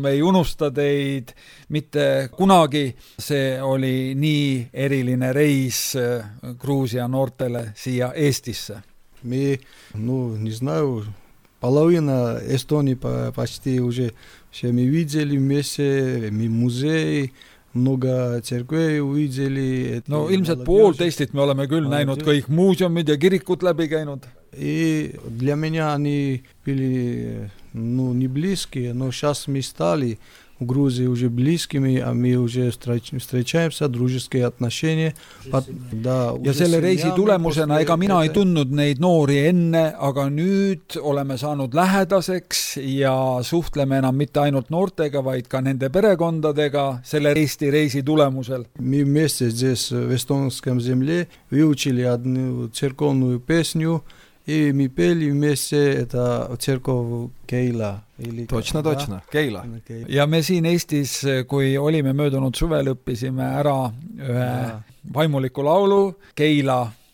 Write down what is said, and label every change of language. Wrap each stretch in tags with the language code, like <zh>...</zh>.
<et>Me ei unusta teid mitte kunagi. See oli nii eriline reis Gruusia noortele siia Eestisse.</et> <ru>Мы, ну, не знаю, половина Эстонии почти уже все мы видели вместе, мы музеи, много церквей увидели.</ru> <et>Ну, ilmselt pool teistit me oleme küll näinud kõik muuseumid ja kirikud läbi käinud.</et> <ru>И для меня они были, ну, не близкие, но сейчас мы стали в Грузии уже близкими, а мы уже встречаемся, дружеские отношения.</ru> <et>Да, ja selle reisi tulemusena, ega mina ei tunnud neid noori enne, aga nüüd oleme saanud lähedaseks ja suhtleme enam mitte ainult noortega, vaid ka nende perekondadega selle Eesti reisi tulemusel.</et> <ru>Мы вместе здесь, в эстонском земле, выучили одну церковную песню, и мы пели вместе это церковь Кейла. Точно, точно. Keila.</ru> <et>Ja me siin Eestis, kui olime möödunud suvel, õppisime ära ühe vaimuliku laulu, Keila.</et>